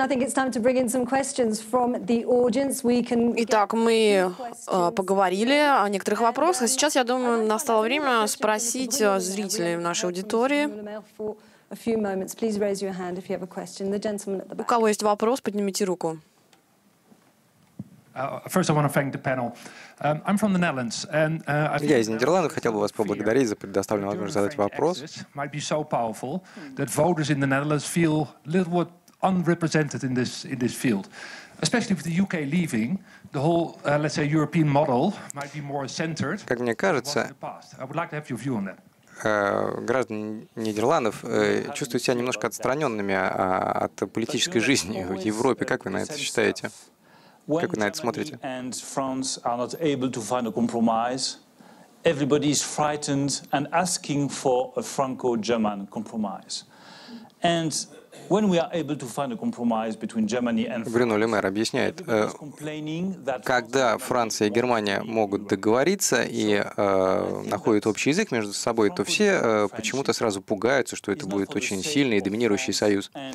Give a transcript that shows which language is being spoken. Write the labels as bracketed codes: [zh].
[en] I think it's time to bring in some questions from the audience. We can. [ru] Итак, мы поговорили о некоторых вопросах. Сейчас, я думаю, настало время спросить зрителей в нашей аудитории. [en] A few moments, please raise your hand if you have a question. The gentleman at the back. [ru] У кого есть вопрос, поднимите руку. [en] First, I want to thank the panel. I'm from the Netherlands, and [ru] я из Нидерландов, хотел бы вас поблагодарить за предоставленную возможность задать вопрос. [en] Might be so powerful that voters in the Netherlands feel a little bit unrepresented in this field, especially with the UK leaving. The whole, let's say, European model might be more centered. [ru] Как мне кажется, [en] I would like to have your view on that. [ru] Граждане Нидерландов чувствуют себя немножко отстраненными от политической жизни в Европе. Как вы на это считаете? Как вы на это смотрите? [en] And France are not able to find a compromise everybody is frightened and asking for a Franco-German compromise. And [ru] Бруно Ле Мэр объясняет, когда Франция и Германия могут договориться и находят общий язык между собой, то все почему-то сразу пугаются, что это будет очень сильный и доминирующий союз.